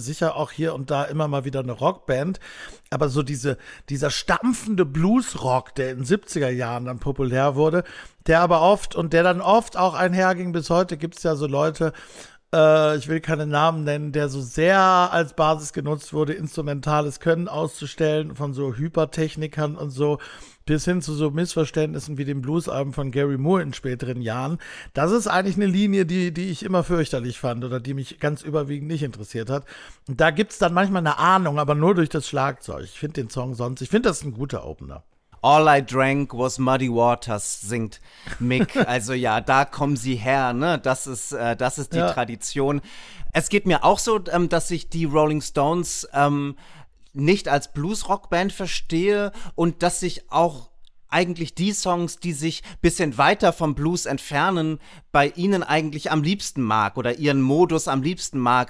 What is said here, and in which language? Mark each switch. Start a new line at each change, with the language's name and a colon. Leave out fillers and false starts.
German: Sicher auch hier und da immer mal wieder eine Rock-Band. Aber so dieser stampfende Blues-Rock, der in den 70er Jahren dann populär wurde, der dann oft auch einherging, bis heute gibt es ja so Leute, ich will keine Namen nennen, der so sehr als Basis genutzt wurde, instrumentales Können auszustellen, von so Hypertechnikern und so, bis hin zu so Missverständnissen wie dem Blues-Album von Gary Moore in späteren Jahren. Das ist eigentlich eine Linie, die ich immer fürchterlich fand oder die mich ganz überwiegend nicht interessiert hat. Da gibt es dann manchmal eine Ahnung, aber nur durch das Schlagzeug. Ich finde das ein guter Opener.
English: All I drank was muddy waters,
German: singt Mick. Also ja, da kommen sie her, ne? Das ist die Tradition. Es geht mir auch so, dass ich die Rolling Stones nicht als Blues-Rock-Band verstehe und dass ich auch eigentlich die Songs, die sich bisschen weiter vom Blues entfernen, bei ihnen eigentlich am liebsten mag oder ihren Modus am liebsten mag.